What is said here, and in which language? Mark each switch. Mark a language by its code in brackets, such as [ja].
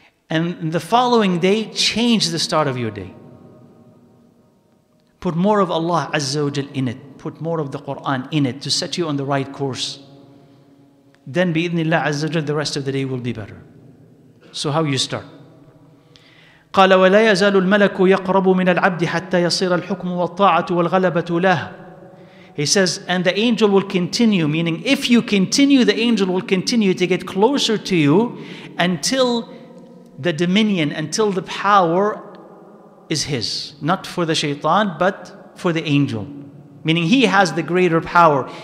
[en] And the following day, change the start of your day. Put more of Allah Azza wa Jal in it. put more of the Quran in it to set you on the right course, then bi-idhnillah azza wa jal, the rest of the day will be better. So how you start? [ar] قال ولا يزال الملك يقرب من العبد حتى يصير الحكم والطاعة والغلبة له. [en] He says, and the angel will continue, meaning if you continue, the angel will continue to get closer to you until the dominion, until the power is his. Not for the shaitan, but for the angel. Meaning he has the greater power.